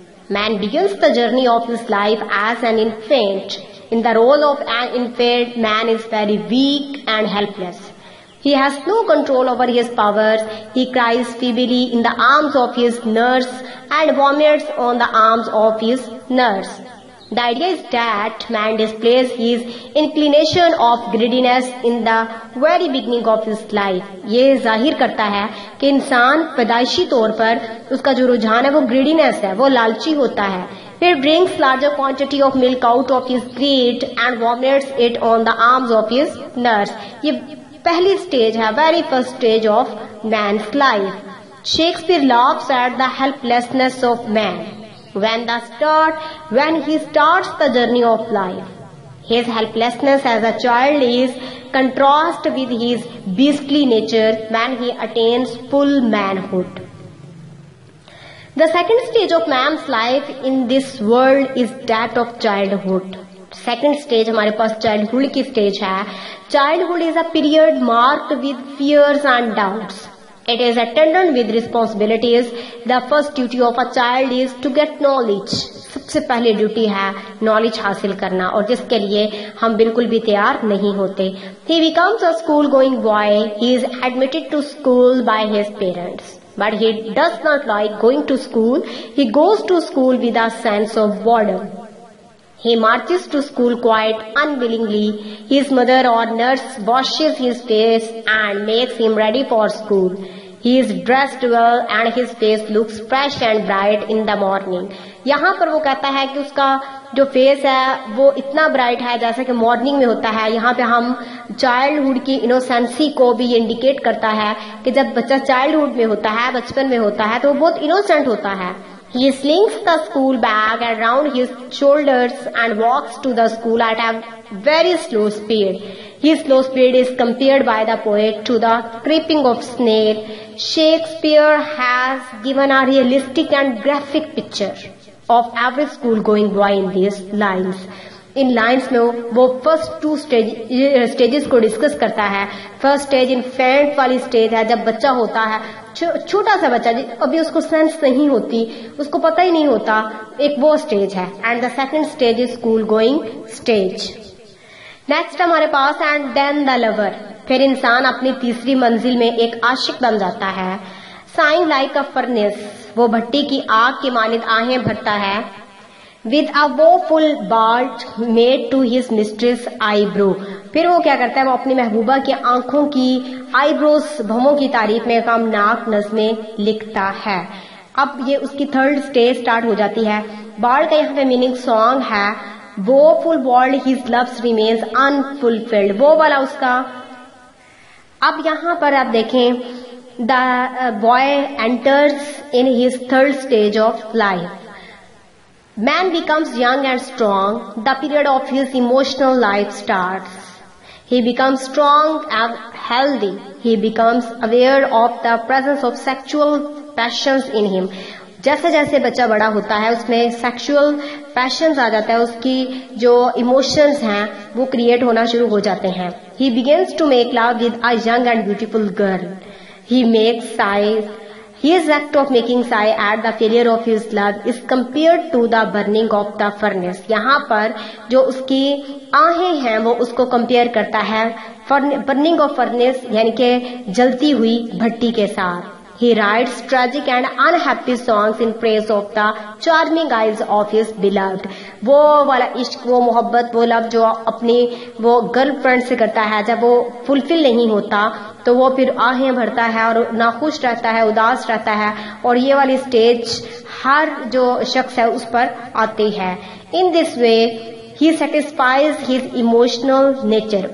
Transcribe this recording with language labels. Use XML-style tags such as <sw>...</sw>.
<en>Man begins the journey of his life as an infant. In the role of an infant man is very weak and helpless. He has no control over his powers. He cries feebly in the arms of his nurse and vomits on the arms of his nurse. The idea is that man displays his inclination of greediness in the very beginning of his life.</en> <hi>ये जाहिर करता है कि इंसान पैदाइशी तौर पर उसका जो रुझान है वो greediness है, वो लालची होता है.</hi> <en>He brings larger quantity of milk out of his greed and vomits it on the arms of his nurse.</en> <hi>ये पहली स्टेज है,</hi> <en>very first stage of man's life. Shakespeare laughs at the helplessness of man. When he starts the journey of life, his helplessness as a child is contrasted with his beastly nature when he attains full manhood. The second stage of man's life in this world is that of childhood.</en> <hi>Second stage हमारे पास childhood की stage है.</hi> <en>Childhood is a period marked with fears and doubts. It is attended with responsibilities. The first duty of a child is to get knowledge.</en> <hi>सबसे पहले duty है knowledge हासिल करना, और जिसके लिए हम बिल्कुल भी तैयार नहीं होते.</hi> <en>He becomes a school-going boy. He is admitted to school by his parents. But he does not like going to school. He goes to school with a sense of boredom. He marches to school quite unwillingly. His mother or nurse washes his face and makes him ready for school. He is dressed well and his face looks fresh and bright in the morning.</en> <hi>यहाँ पर वो कहता है कि उसका जो face है वो इतना ब्राइट है जैसा कि मॉर्निंग में होता है. यहाँ पे हम चाइल्डहुड की इनोसेंसी को भी इंडिकेट करता है कि जब बच्चा चाइल्डहुड में होता है, बचपन में होता है, तो वो बहुत इनोसेंट होता है.</hi> <en>He slings the school bag around his shoulders and walks to the school at a very slow speed. His slow speed is compared by the poet to the creeping of snail. Shakespeare has given a realistic and graphic picture of every school-going boy in these lines.</en> <hi>In lines में वो first two stages को discuss करता है. First stage infant वाली stage है, जब बच्चा होता है, छोटा सा बच्चा, अभी उसको सेंस नहीं होती, उसको पता ही नहीं होता, एक वो स्टेज है.</hi> <en>And the second stage is school going stage. Next हमारे पास and then the lover.</en> <hi>फिर इंसान अपनी तीसरी मंजिल में एक आशिक बन जाता है.</hi> <en>Sighing like a furnace.</en> <hi>वो भट्टी की आग के मानित आहें भरता है.</hi> <en>With a woeful ballad made to his mistress eyebrow.</en> <hi>फिर वो क्या करता है, वो अपनी महबूबा की आंखों की, eyebrows, भौहों की तारीफ में कम नाक नज़में लिखता है. अब ये उसकी थर्ड स्टेज स्टार्ट हो जाती है. ballad का यहाँ पे मीनिंग सॉन्ग है.</hi> <en>woeful ballad his loves remains unfulfilled.</en> <hi>वो वाला उसका. अब यहाँ पर आप देखें,</hi> <en>the boy enters in his third stage of life. Man becomes young and strong. The period of his emotional life starts. He becomes strong and healthy. He becomes aware of the presence of sexual passions in him.</en> <hi>जैसे जैसे बच्चा बड़ा होता है उसमें sexual passions आ जाता है, उसकी जो emotions हैं वो create होना शुरू हो जाते हैं.</hi> <en>He begins to make love with a young and beautiful girl. He makes sighs. His act of making sigh at the failure of his love is compared to the burning of the furnace.</en> <hi>यहाँ पर जो उसकी आहें हैं वो उसको compare करता है</hi> <en>burning of furnace,</en> <hi>यानी कि जलती हुई भट्टी के साथ.</hi> <en>He writes tragic and unhappy songs in praise of the charming eyes of his beloved.</en> <hi>वो वाला इश्क, वो मोहब्बत, वो लव जो अपनी वो girlfriend से करता है, जब वो fulfill नहीं होता तो वो फिर आहें भरता है और नाखुश रहता है, उदास रहता है. और ये वाली स्टेज हर जो शख्स है उस पर आती है.</hi> <en>In this way he satisfies his emotional nature.</en>